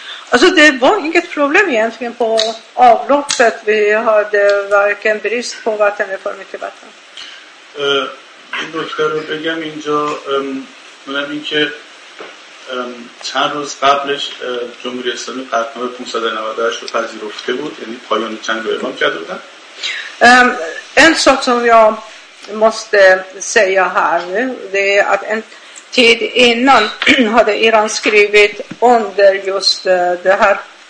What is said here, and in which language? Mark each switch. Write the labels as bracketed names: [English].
[Swedish] Alltså det var inget problem egentligen på avloppet. Vi hade varken brist på vatten eller för mycket vatten. Min doktor och jag minns [Persian] چند روز قبلش جمهوری اسلامی قطعنامه 598 رو پذیرفته بود یعنی پایان چند رو اعلام کرده بودن [Swedish] En sak som jag måste säga här nu det är att en tid innan hade Iran skrivit under just det här